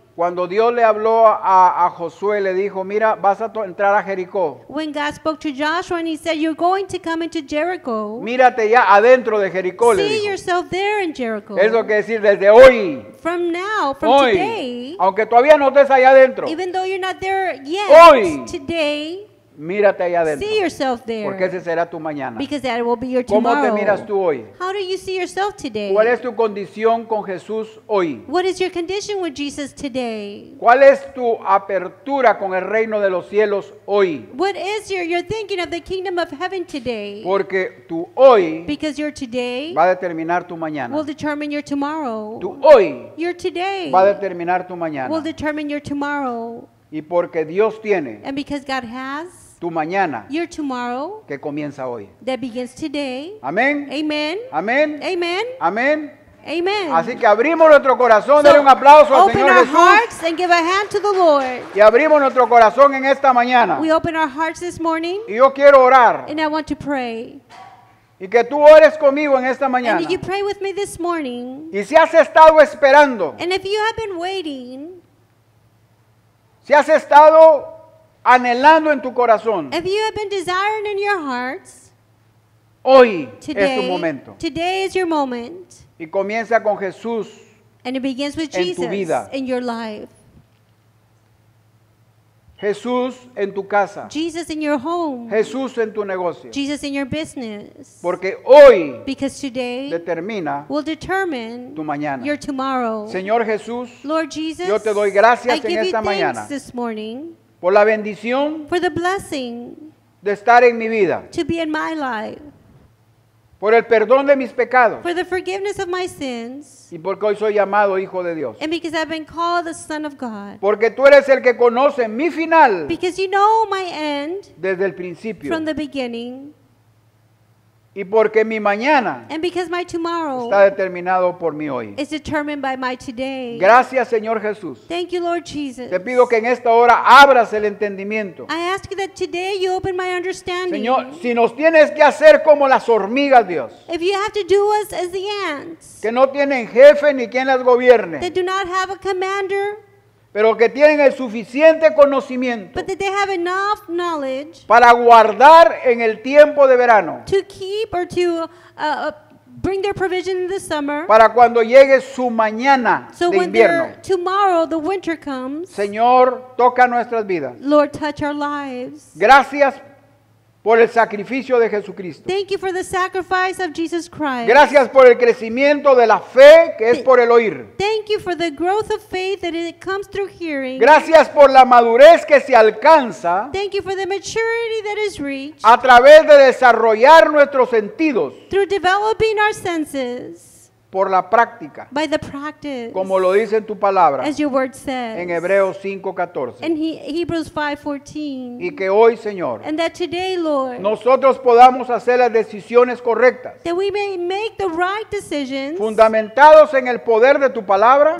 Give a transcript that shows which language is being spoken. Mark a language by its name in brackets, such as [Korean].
[Spanish] Cuando Dios le habló a Josué, le dijo, mira, vas a entrar a Jericó. [English] When God spoke to Joshua and He said, you're going to come into Jericho. [Spanish] Mírate ya adentro de Jericó, [English] see [Spanish] le dijo. [English] See yourself there in Jericho. [Spanish] Eso quiere decir desde hoy. [English] From now, from [Spanish] hoy, [English] today. [Spanish] Aunque todavía no estés allá adentro. [English] Even though you're not there yet. [Spanish] Hoy. [English] Today. [Spanish] Mírate allá adentro. [English] See yourself there. [Spanish] Porque ese será tu mañana. [English] Because that will be your tomorrow. [Spanish] ¿Cómo te miras tú hoy? [English] How do you see yourself today? [Spanish] ¿Cuál es tu condición con Jesús hoy? [English] What is your condition with Jesus today? [Spanish] ¿Cuál es tu apertura con el reino de los cielos hoy? [English] What is your thinking of the kingdom of heaven today? [Spanish] Porque tu hoy, [English] because your today, [Spanish] va a determinar tu mañana. [English] Will determine your tomorrow. [Spanish] Tu hoy, [English] your today, [Spanish] va a determinar tu mañana. [English] Will determine your tomorrow. [Spanish] Y porque Dios tiene, [English] and because God has, [Spanish] tu mañana, [English] your tomorrow, [Spanish] que comienza hoy, [English] that begins today. [Spanish] Amén. [English] Amen. [Spanish] Amén. [English] Amen. [Spanish] Amén. [English] Amen. [Spanish] Así que abrimos nuestro corazón, so, dale un aplauso al Señor Jesús. [English] Open our hearts and give a hand to the Lord. [Spanish] Y abrimos nuestro corazón en esta mañana. [English] We open our hearts this morning. [Spanish] Y yo quiero orar. [English] And I want to pray. [Spanish] Y que tú ores conmigo en esta mañana. [English] And you pray with me this morning. [Spanish] Y si has estado esperando. [English] And if you have been waiting. [Spanish] Si has estado anhelando en tu corazón, [English] if you have been desiring in your hearts, [Spanish] hoy [English] today, [Spanish] es tu momento. [English] Today is your moment. [Spanish] Y comienza con Jesús, [English] and it begins with Jesus, [Spanish] en tu vida, [English] in your life. [Spanish] Jesús en tu casa. [English] Jesus in your home. [Spanish] Jesús en tu negocio. [English] Jesus in your business. [Spanish] Porque hoy, [English] because today, [Spanish] determina, [English] will determine, [Spanish] tu mañana, [English] your tomorrow. [Spanish] Señor Jesús, [English] Lord Jesus, [Spanish] yo te doy gracias en esta mañana. [English] I give you thanks this morning. [Spanish] Por la bendición, [English] for the blessing, [Spanish] de estar en mi vida. [English] To be in my life. [Spanish] Por el perdón de mis pecados. [English] For the forgiveness of my sins. [Spanish] Y porque hoy soy llamado hijo de Dios. [English] And because I've been called the son of God. [Spanish] Porque tú eres el que conoce mi final. [English] Because you know my end. [Spanish] Desde el principio. [English] From the beginning. [Spanish] Y porque mi mañana. [English] And because my tomorrow. [Spanish] Está determinado por mí hoy. [English] Is determined by my today. [Spanish] Gracias, Señor Jesús. [English] Thank you, Lord Jesus. [Spanish] Te pido que en esta hora abras el entendimiento. [English] I ask you that today you open my understanding. [Spanish] Señor, si nos tienes que hacer como las hormigas, Dios. [English] If you have to do us as the ants. [Spanish] Que no tienen jefe ni quien las gobierne. [English] That do not have a commander. [Spanish] Pero que tienen el suficiente conocimiento, [English] but that they have enough knowledge, [Spanish] para guardar en el tiempo de verano, [English] to keep or to bring their provision in the summer, [Spanish] para cuando llegue su mañana, [English] so [Spanish] de invierno, [English] their, tomorrow the winter comes. [Spanish] Señor, toca nuestras vidas. [English] Lord, touch our lives. [Spanish] Gracias por el sacrificio de Jesucristo. [English] Thank you for the sacrifice of Jesus Christ. [Spanish] Gracias por el crecimiento de la fe que es por el oír. [English] Thank you for the growth of faith that it comes through hearing. [Spanish] Gracias por la madurez que se alcanza. [English] Thank you for the maturity that is reached. [Spanish] A través de desarrollar nuestros sentidos. [English] Through developing our senses. [Spanish] Por la práctica. [English] By the practice. [Spanish] Como lo dice en tu palabra. [English] As your word says. [Spanish] En Hebreos 5:14. [English] In Hebrews 5:14. [Spanish] Y que hoy, Señor. [English] And that today, Lord. [Spanish] Nosotros podamos hacer las decisiones correctas. [English] That we may make the right decisions. [Spanish] Fundamentados en el poder de tu palabra.